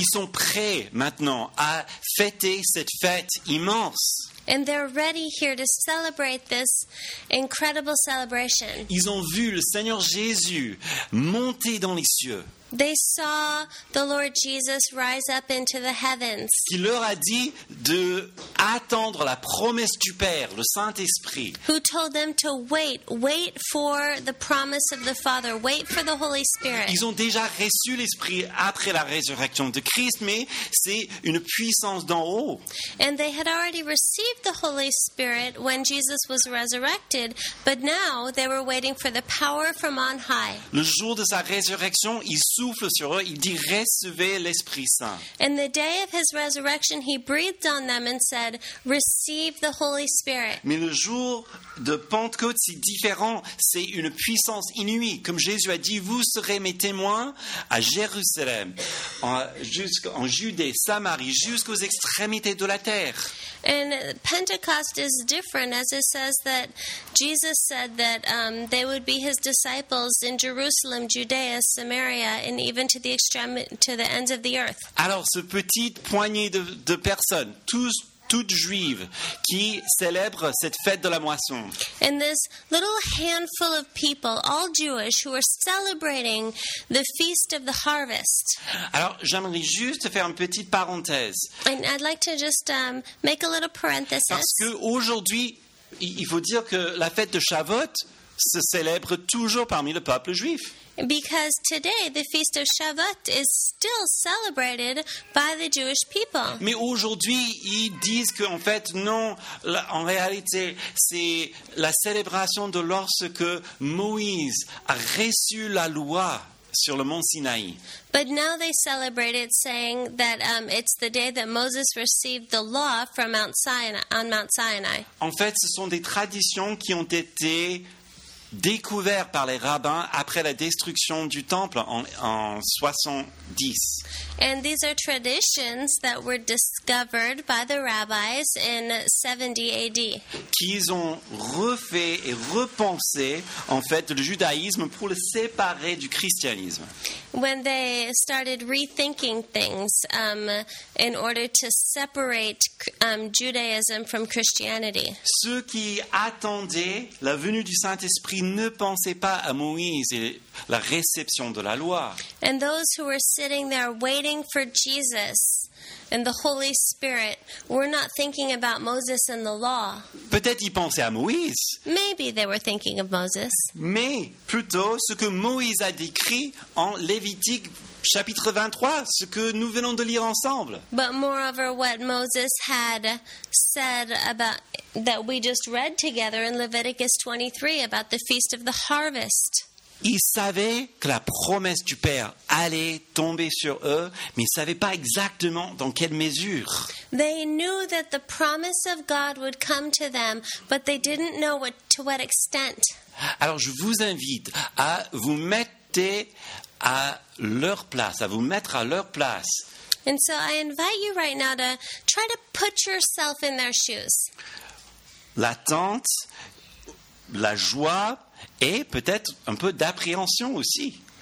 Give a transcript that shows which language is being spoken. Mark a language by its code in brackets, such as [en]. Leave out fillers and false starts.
[fr] Ils sont prêts maintenant à fêter cette fête immense. [en] And they're ready here to celebrate this incredible celebration. [fr] Ils ont vu le Seigneur Jésus monter dans les cieux. [en] They saw the Lord Jesus rise up into the heavens. [fr] Qui leur a dit de attendre la promesse du Père, le Saint-Esprit. [en] Who told them to wait for the promise of the Father, wait for the Holy Spirit. [fr] Ils ont déjà reçu l'Esprit après la résurrection de Christ, mais c'est une puissance d'en haut. [en] And they had already received the Holy Spirit when Jesus was resurrected, but now they were waiting for the power from on high. [fr] Le jour de sa résurrection, il souffle sur eux, il dit recevez l'Esprit Saint. [en] In the day of his resurrection, he breathed on them and said, receive the Holy Spirit. [fr] Mais le jour de Pentecôte, c'est différent. C'est une puissance inouïe. Comme Jésus a dit, vous serez mes témoins à Jérusalem, en Judée, Samarie, jusqu'aux extrémités de la terre. [en] And Pentecost is different, as it says that Jesus said that they would be his disciples in Jerusalem, Judea, Samaria, and even to the extreme, to the ends of the earth. [fr] Alors, ce petit poignée de personnes, toutes juives qui célèbrent cette fête de la moisson. [en] And this little handful of people, all Jewish, who are celebrating the feast of the harvest. [fr] Alors, j'aimerais juste faire une petite parenthèse. [en] And I'd like to just make a little parenthesis. [fr] Parce qu'aujourd'hui, il faut dire que la fête de Shavuot se célèbre toujours parmi le peuple juif. [en] Because today the feast of Shavuot is still celebrated by the Jewish people. [fr] Mais aujourd'hui, ils disent que en fait non, en réalité, c'est la célébration de lorsque Moïse a reçu la loi sur le mont Sinaï. [en] But now they celebrate it saying that it's the day that Moses received the law from Mount Sinai, on Mount Sinai. [fr] En fait, ce sont des traditions qui ont été découvert par les rabbins après la destruction du temple en 70. [en] And these are traditions that were discovered by the rabbis in 70 AD. [fr] Qu'ils ont refait et repensé en fait le judaïsme pour le séparer du christianisme. [en] When they started rethinking things in order to separate Judaism from Christianity. [fr] Ceux qui attendaient la venue du Saint-Esprit ne pensaient pas à Moïse et la réception de la loi. [en] And those who were sitting there waiting for Jesus and the Holy Spirit were not thinking about Moses and the law. [fr] Peut-être ils pensaient à Moïse. [en] Maybe they were thinking of Moses. [fr] Mais plutôt ce que Moïse a décrit en Lévitique chapitre 23, ce que nous venons de lire ensemble. [en] But moreover, what Moses had said about that we just read together in Leviticus 23 about the feast of the harvest. [fr] Ils savaient que la promesse du Père allait tomber sur eux, mais ils ne savaient pas exactement dans quelle mesure. [en] They knew that the promise of God would come to them, but they didn't know to what extent. [fr] Alors je vous invite à vous mettre à leur place, à vous mettre à leur place. [en] And so I invite you right now to try to put yourself in their shoes. [fr] L'attente, la joie, et peut-être un peu d'appréhension aussi.